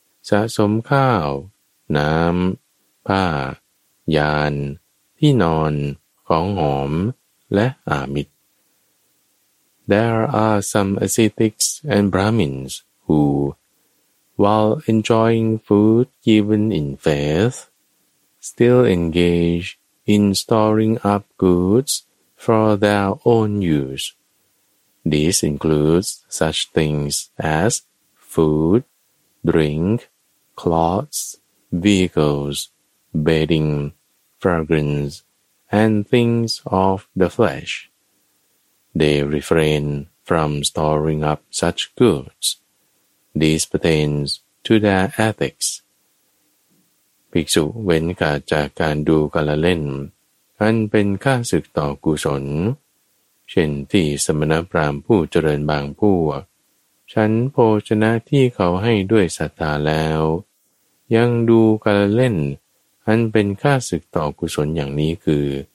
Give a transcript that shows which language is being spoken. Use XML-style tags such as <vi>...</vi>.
<th>สะสมข้าวน้ำผ้ายานที่นอนของหอมและอามิตร</th> <en>There are some ascetics and Brahmins who, while enjoying food given in faith, still engage in storing up goods for their own use. This includes such things as food, drink, clothes, vehicles, bedding, fragrance, and things of the flesh. They refrain from storing up such goods. This pertains to their ethics.</en> <th>ภิกษุเว้นขาดจากการดูกาลเล่นอันเป็นข้าศึกต่อกุศลเช่นที่สมณพราหมณ์ผู้เจริญบางพวกฉันโภชนะที่เขาให้ด้วยศรัทธาแล้วยังดูกาลเล่นอันเป็นข้าศึกต่อกุศลอย่างนี้คือ</th>